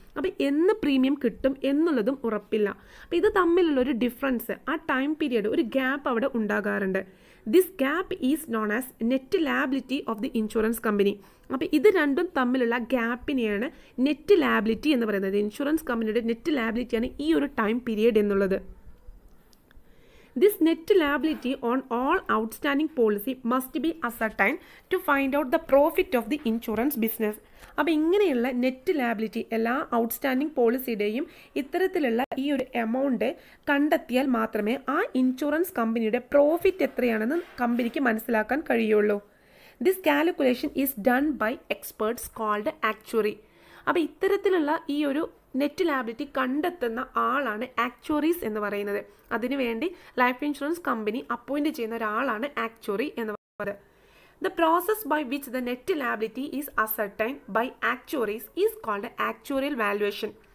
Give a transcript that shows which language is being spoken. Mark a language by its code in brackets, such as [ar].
[ml] അപ്പോൾ എന്ന് പ്രീമിയം കിട്ടും എന്നുള്ളതും ഉറപ്പില്ല. അപ്പോൾ ഇത് തമ്മിലുള്ളൊരു ഡിഫറൻസ്, ആ ടൈം പീരിയഡ്, ഒരു ഗ്യാപ്പ് അവിടെ ഉണ്ടാകാറുണ്ട്. [en] This gap is known as net liability of the insurance company. [ml] അപ്പോൾ ഇത് രണ്ടും തമ്മിലുള്ള ഗ്യാപ്പിനെയാണ് നെറ്റ് ലയബിലിറ്റി എന്ന് പറയുന്നത്. ഇൻഷുറൻസ് കമ്പനിയുടെ നെറ്റ് ലയബിലിറ്റിയാണ് ഈ ഒരു ടൈം പീരിയഡ് എന്നുള്ളത്. [en] This net liability on all outstanding policy must be ascertained to find out the profit of the insurance business. [ml] അപ്പോൾ ഇങ്ങനെയുള്ള നെറ്റ് ലയബിലിറ്റി, എല്ലാ ഔട്ട്സ്റ്റാൻഡിങ് പോളിസിയുടെയും ഇത്തരത്തിലുള്ള ഈ ഒരു എമൗണ്ട് കണ്ടെത്തിയാൽ മാത്രമേ ആ ഇൻഷുറൻസ് കമ്പനിയുടെ പ്രോഫിറ്റ് എത്രയാണെന്ന് കമ്പനിക്ക് മനസ്സിലാക്കാൻ കഴിയുള്ളൂ. [en] This calculation is done by experts called actuary. [ml] അപ്പോൾ ഇത്തരത്തിലുള്ള ഈ ഒരു നെറ്റ് ലയബിലിറ്റി കണ്ടെത്തുന്ന ആളാണ് ആക്ച്വറീസ് എന്ന് പറയുന്നത്. അതിനുവേണ്ടി ലൈഫ് ഇൻഷുറൻസ് കമ്പനി അപ്പോയിൻറ്റ് ചെയ്യുന്ന ഒരാളാണ് ആക്ച്വറി എന്ന് പറയുന്നത്. [en] The process by which the net liability is ascertain by actuaries is called actuarial valuation.